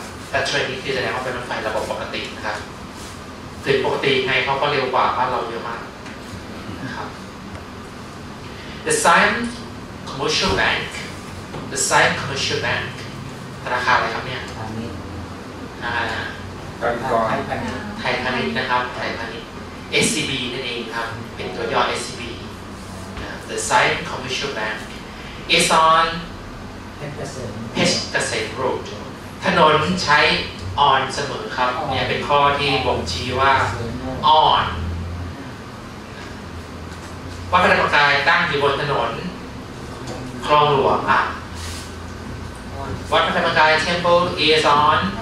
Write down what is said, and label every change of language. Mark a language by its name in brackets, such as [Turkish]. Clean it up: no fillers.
[Thai] แต่เทรนนี้คือแสดงว่าเป็นรถไฟระบบปกตินะครับถึงปกติไงเขาก็เร็วกว่าบ้านเราเยอะมากนะครับ [English] The signCommercial bank, the same commercial bank. [Thai] ธนาคารอะไรครับเนี่ย ธนาคาร ไทยพาณิชย์นะครับไทยพาณิชย์ SCB นั่นเองครับเป็นตัวย่อ SCB. [English] The same commercial bank is on [Thai] เพชรเกษม [English] Road. [Thai] ถนนใช้ on เสมอครับเนี่ยเป็นข้อที่บ่งชี้ว่า on. วัดพระธรรมกายตั้งอยู่บนถนนคลองหลวงอ่ะวัดพระธรรมกาย [English] Temple is on